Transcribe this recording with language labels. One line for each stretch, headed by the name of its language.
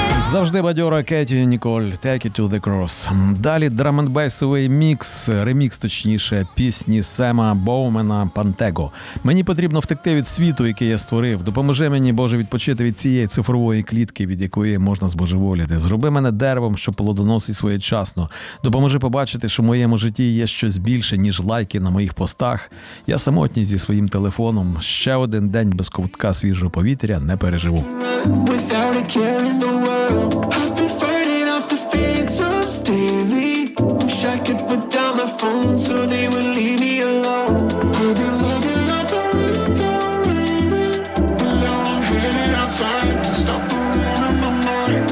Ukrainian: завжди бадьора Кеті Ніколь, «Take it to the cross». Далі драм-н-бейсовий мікс, ремікс, точніше, пісні Сема Боумена «Пантего». «Мені потрібно втекти від світу, який я створив. Допоможи мені, Боже, відпочити від цієї цифрової клітки, від якої можна збожеволіти. Зроби мене деревом, що плодоносить своєчасно. Допоможи побачити, що в моєму житті є щось більше, ніж лайки на моїх постах. Я самотній зі своїм телефоном. Ще один день без ковтка свіжого повітря не переживу».
English: Care in the world, I've been fighting off the phantoms daily. Wish I could put down my phone so they would leave me alone. I've been looking like a real tourist, but now I'm heading outside to stop the rain on my mind.